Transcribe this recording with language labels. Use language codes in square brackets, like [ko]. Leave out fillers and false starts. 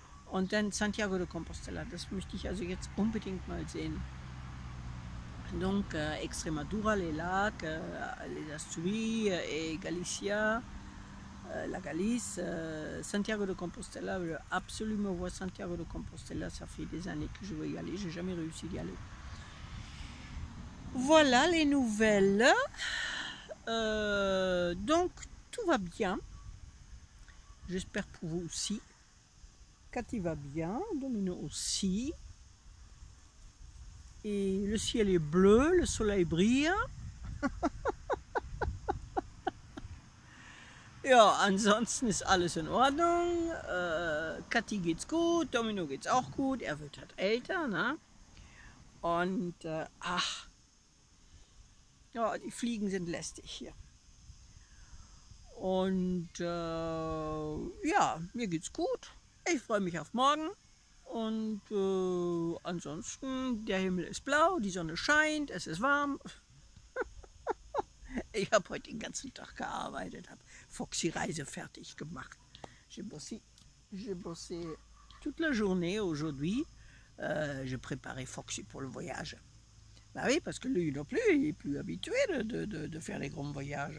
[de] Und dann Santiago de Compostela, das möchte ich also jetzt unbedingt mal sehen. [fr] Donc, Extremadura, les Lacs, les Asturies et Galicia, la Galice, Santiago de Compostela, je veux absolument voir Santiago de Compostela, ça fait des années que je veux y aller, j'ai jamais réussi d'y aller. Voilà les nouvelles. Donc, tout va bien. J'espère pour vous aussi. Cathy va bien, Domino aussi. Et le ciel est bleu, le soleil brille. [de] Ja, ansonsten ist alles in Ordnung. Cathy geht's gut, Domino geht's auch gut. Er wird halt älter, ne? Und ach, ja, die Fliegen sind lästig hier. Und ja, mir geht's gut. Ich freue mich auf morgen und ansonsten, der Himmel ist blau, die Sonne scheint, es ist warm. Ich habe heute den ganzen Tag gearbeitet, habe Foxy Reise fertig gemacht. [fr] J'ai bossé toute la journée aujourd'hui. J'ai préparé Foxy pour le voyage. Bah oui, parce que lui non plus, il est plus habitué de faire les grands voyages.